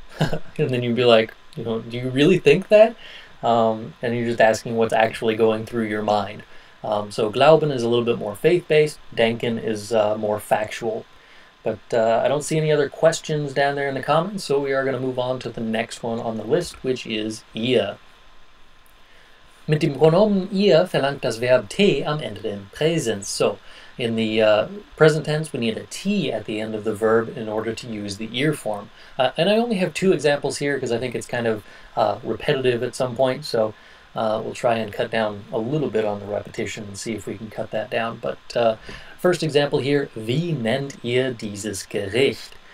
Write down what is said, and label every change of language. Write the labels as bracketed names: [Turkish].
[English] And then you'd be like, do you really think that? And you're just asking what's actually going through your mind. So glauben is a little bit more faith-based. Denken is more factual. But I don't see any other questions down there in the comments, so we are going to move on to the next one on the list, which is ihr. [German] Mit dem Pronomen ihr verlangt das Verb T am Ende der Präsens. [English] So, in the present tense, we need a T at the end of the verb in order to use the ihr form. And I only have two examples here because I think it's kind of repetitive at some point, so we'll try and cut down a little bit on the repetition and see if we can cut that down. But first example here, [German] wie nennt ihr dieses Gericht?